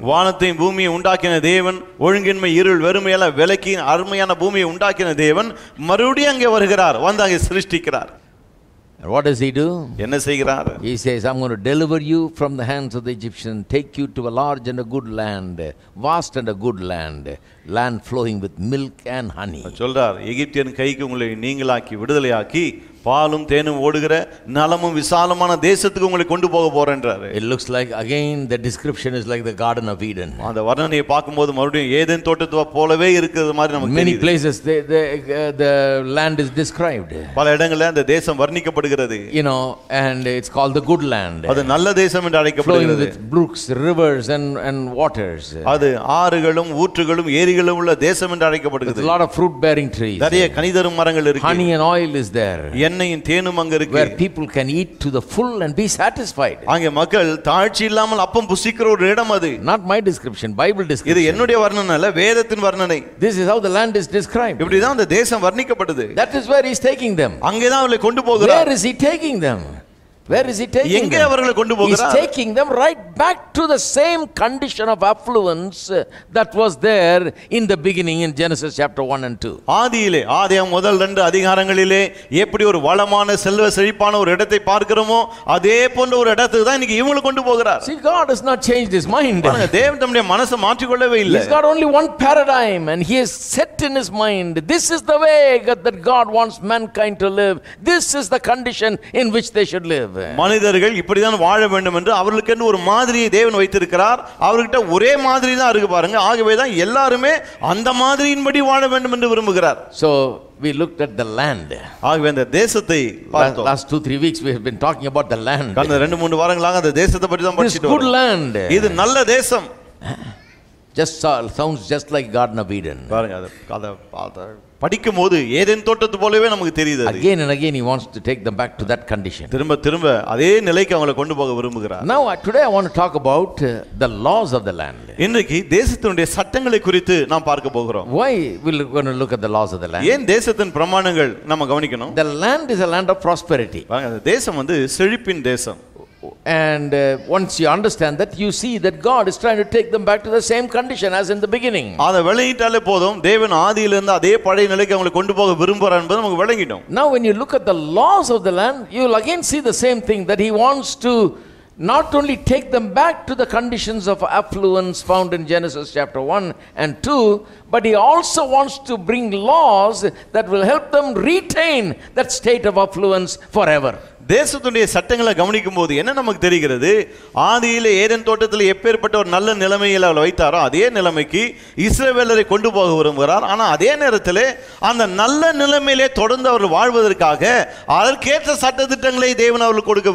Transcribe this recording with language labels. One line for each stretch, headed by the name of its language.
Tamil: வானத்தை பூமியை உண்டாக்கின தேவன், ஒழுங்கின்மை, இருள், வெறுமை எல்லாம் விலக்கி அருமையான பூமியை உண்டாக்கின தேவன் மறுபடியும் அங்கே வருகிறார், வந்து அங்கே சிருஷ்டிக்கிறார்.
English: What does he do?
Tamil: என்ன செய்கிறார்?
English: He says, I'm going to deliver you from the hands of the Egyptian, take you to a large and a good land, vast and a good land, land flowing with milk and honey.
Tamil: சொல்றார், எகிப்தியன் கைக்கு உங்களை நீங்களாக்கி விடுதலையாக்கி பாலும் தேனும் ஓடுகிற, நலமும் விசாலமான தேசத்துக்கு உங்களை கொண்டு போக போறேன்றாரு.
English: It looks like again the description is like the Garden of Eden.
Tamil: அந்த வர்ணனையை பார்க்கும்போது மறுபடியும் ஏதேன் தோட்டத்துவ போலவே இருக்கிறது மாதிரி நமக்கு தெரியுது.
English: Many places the land is described.
Tamil: பல இடங்கள்ல அந்த தேசம் வர்ணிக்கப்படுகிறது.
English: You know, and it's called the good land.
Tamil: அது நல்ல தேசம் என்று அழைக்கப்படுகிறது.
English: Flowing with brooks, rivers and waters.
Tamil: அது ஆறுகளும் ஊற்றுகளும் ஏரிகளும் உள்ள தேசம் என்று அழைக்கப்படுகிறது.
English: A lot of fruit bearing trees.
Tamil: நிறைய கனிதரும் மரங்கள் இருக்கு.
English: Honey and oil is there.
Tamil: எண்ணெயும் தேனும் அங்க இருக்கு.
English: Where people can eat to the full and be satisfied.
Tamil: அங்க மக்கள் தாழ்ச்சி இல்லாமல் அப்பம் புசிக்கிற ஒரு இடம் அது.
English: Not my description, Bible description.
Tamil: இது என்னுடைய வர்ணனை இல்ல, வேதத்தின் வர்ணனை.
English: This is how the land is described.
Tamil: இப்படி தான் அந்த தேசம் வர்ணிக்கப்படுது.
English: That is where he is taking them.
Tamil: அங்கே தான் அவளை கொண்டு போகிறார்.
English: Where is he taking them? Where is he taking them?
Tamil: அவர்களை கொண்டு போகிறார்.
English: He is taking them right back to the same condition of affluence that was there in the beginning in Genesis chapter 1 and 2.
Tamil: ஆதியிலே, ஆதியம் முதல் ரெண்டு அதிகாரங்களிலே எப்படி ஒரு வளமான, செல்வ செழிப்பான ஒரு இடத்தை பார்க்கிறோமோ அதே போன்ற ஒரு இடத்துக்கு தான் இன்னைக்கு இவங்களை கொண்டு போகிறார்.
English: See, God has not changed his mind.
Tamil: தேவன் தம்முடைய மனசை மாற்றிக்கொள்ளவே இல்லை.
English: He's got only one paradigm and he has set in his mind, this is the way that God wants mankind to live, this is the condition in which they should live.
Tamil: மனிதர்கள் இப்படி தான் வாழ வேண்டும் என்று அவர்களுக்கு ஒரு மாதிரியை தேவன் வைத்திருக்கிறார். அவர்கிட்ட ஒரே மாதிரி தான் இருக்கு பாருங்க. ஆகவே தான் எல்லாருமே அந்த மாதிரியின்படி வாழ வேண்டும் என்று விரும்புகிறார்.
English: So we looked at the land.
Tamil: ஆகவே அந்த தேசத்தை பார்த்தோம்.
English: Last 2-3 weeks we have been talking about the land.
Tamil: கடந்த 2-3 வாரங்களாக அந்த தேசத்தை பத்தி தான் படிச்சிட்டு வரோம்.
English: This good land.
Tamil: இது நல்ல தேசம்.
English: Just sounds just like Garden of Eden.
Tamil: பாருங்க அது கதை பார்த்தா படிக்கும் போது ஏதேன் தோட்டத்து போலவே நமக்கு தெரியுது.
English: Again and again he wants to take them back to that condition.
Tamil: திரும்ப திரும்ப அதே நிலைக்கு அவங்களை கொண்டு போக விரும்புகிறார்.
English: Now today I want to talk about the laws of the land.
Tamil: இன்னைக்கு தேசத்தினுடைய சட்டங்களை குறித்து நாம் பார்க்க போகிறோம்.
English: Why we are going to look at the laws of the land?
Tamil: ஏன் தேசத்தின் பிரமாணங்கள் நாம் கவனிக்கணும்?
English: The land is a land of prosperity.
Tamil: தேசம் வந்து செழிப்பின் தேசம்.
English: And once you understand that, you see that God is trying to take them back to the same condition as in the beginning.
Tamil: அத வெளியிட்டாலே போதும், தேவன் ஆதியிலிருந்து அதே பழைய நிலைக்கு அவங்களை கொண்டு போக விரும்புறார் என்பது நமக்கு விளங்கிடும்.
English: Now when you look at the laws of the land, you will again see the same thing that he wants to not only take them back to the conditions of affluence found in Genesis chapter 1 and 2, but he also wants to bring laws that will help them retain that state of affluence forever.
Tamil: தேசத்துடைய சட்டங்களை கவனிக்கும் போது என்ன நமக்கு தெரிகிறது, ஆதியில Eden தோட்டத்தில் எப்பேற்பட்ட ஒரு நல்ல நிலைமையில அவளை வைத்தாரோ அதே நிலைமைக்கு இஸ்ரவேலரை கொண்டு போக விரும்புகிறார். ஆனா அதே நேரத்தில் அந்த நல்ல நிலைமையிலே தொடர்ந்து அவர்கள் வாழ்வதற்காக அதற்கேற்ற சட்ட திட்டங்களை தேவன் அவர்களுக்கு கொடுக்க